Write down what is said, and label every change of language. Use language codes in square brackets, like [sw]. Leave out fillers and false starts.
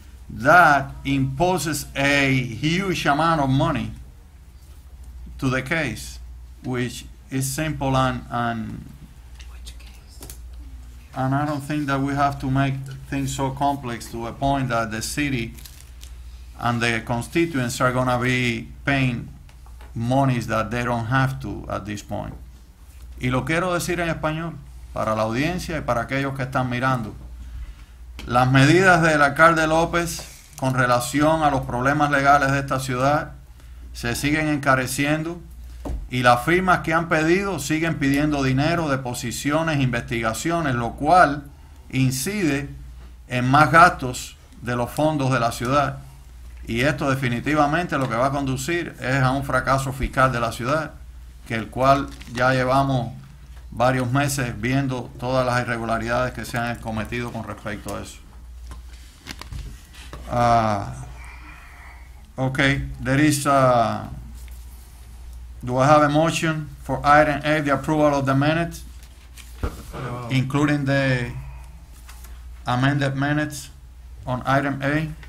[en] That imposes a huge amount of money to the case, which is simple and I don't think that we have to make things so complex to a point that the city and the constituents are gonna be paying monies that they don't have to at this point. [es] Y lo quiero decir en español para la audiencia y para aquellos que están mirando. Las medidas del alcalde López con relación a los problemas legales de esta ciudad se siguen encareciendo y las firmas que han pedido siguen pidiendo dinero, deposiciones, investigaciones, lo cual incide en más gastos de los fondos de la ciudad. Y esto definitivamente lo que va a conducir es a un fracaso fiscal de la ciudad, que el cual ya llevamos varios meses viendo todas las irregularidades que se han cometido con respecto a eso. [en] Okay, there is do I have a motion for item A, the approval of the minutes, including the amended minutes on item A?